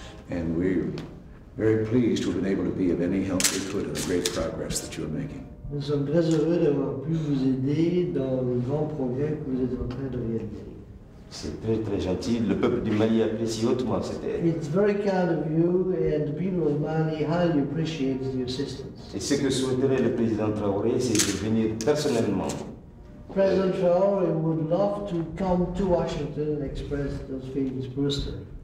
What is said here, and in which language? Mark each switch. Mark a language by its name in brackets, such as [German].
[English] And we're very pleased to have been able to be of any help we could in the great progress that you are making. [French] Nous sommes très heureux d'avoir pu vous aider dans le grand progrès que vous êtes en train de réaliser. C'est très très gentil. Le peuple du Mali apprécie hautement cette aide. [English] It's very kind of you, and the people of Mali highly appreciate the assistance. [French] Et ce que souhaiterait le président Traoré, c'est de venir personnellement. [English] President Traoré would love to come to Washington and express those feelings personally.